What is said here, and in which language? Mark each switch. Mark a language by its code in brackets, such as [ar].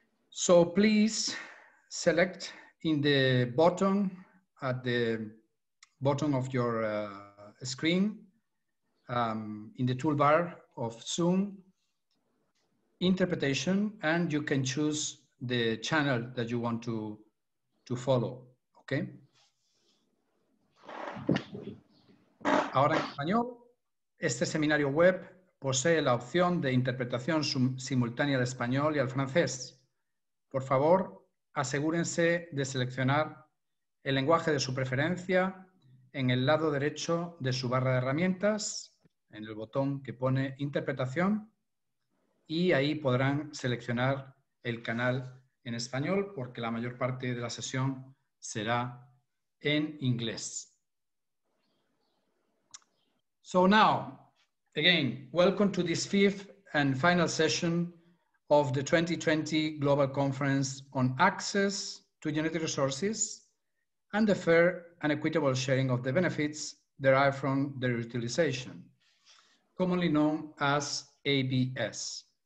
[en] So please select in the bottom, at the bottom of your screen, in the toolbar of Zoom, interpretation, and you can choose the channel that you want to follow, okay? [es] Ahora en español, este seminario web posee la opción de interpretación simultánea al español y al francés. Por favor, asegúrense de seleccionar el lenguaje de su preferencia en el lado derecho de su barra de herramientas, en el botón que pone interpretación, y ahí podrán seleccionar el canal en español, porque la mayor parte de la sesión será en inglés. [en] So now, again, welcome to this fifth and final session of the 2020 Global Conference on Access to Genetic Resources and the Fair and Equitable Sharing of the Benefits Derived from Their Utilization, commonly known as ABS.